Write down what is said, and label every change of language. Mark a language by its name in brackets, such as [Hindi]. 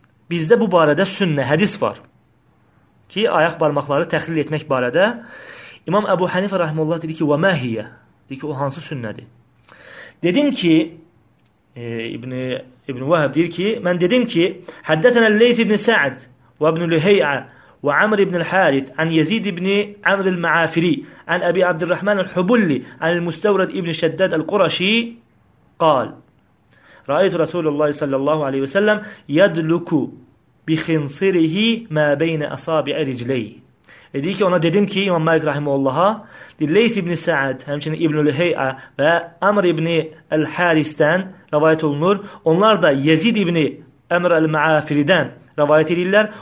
[Azerbaijani] Bizdə bu barədə sünnə, hədis var. Ki, ayaq barmaqları təxlil etmək barədə. İmam Əbu Hənifə rahimehullah dedi ki, və məhiyyə. Dedi ki, o hansı sünnədir? Dedim ki, İbn Vahib deyir ki, mən dedim ki, həddətənə Leys ibn Sa'd və ibn Lühey'ə [Arabic] وعمر بن الحارث عن يزيد بن عمرو المعافري عن أبي عبد الرحمن الحبلي عن المستورد ابن شداد القرشي قال رأيت رسول الله صلى الله عليه وسلم يدلك بخنصره ما بين أصابع رجليه. [Turkish] Dedi ki ona dedim ki İmam Malik Rahimullah'a Leys İbni Sa'd hemşinin İbnül Hey'a ve Amr İbni El Haris'ten rivayet olunur. [Azerbaijani] Onlar da Yezid İbni Amr El Ma'afiri'den rivayet edirler.